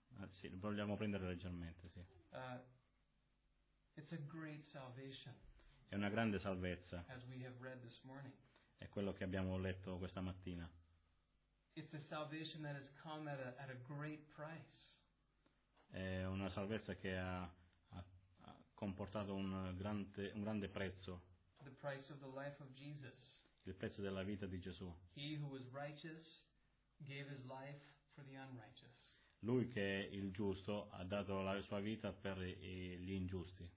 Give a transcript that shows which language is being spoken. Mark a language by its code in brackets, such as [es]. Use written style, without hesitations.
[it] Sì, vogliamo prendere leggermente, sì. [en] It's a great salvation. [it] È una grande salvezza. [en] As we have read this morning. [it] È quello che abbiamo letto questa mattina. [en] It's a salvation that has come at a great price. [it] È una salvezza che ha comportato un grande prezzo. [en] The price of the life of Jesus. [it] Il prezzo della vita di Gesù. [en] He who was righteous gave his life for the unrighteous. [it] lui che è il giusto ha dato la sua vita per gli ingiusti.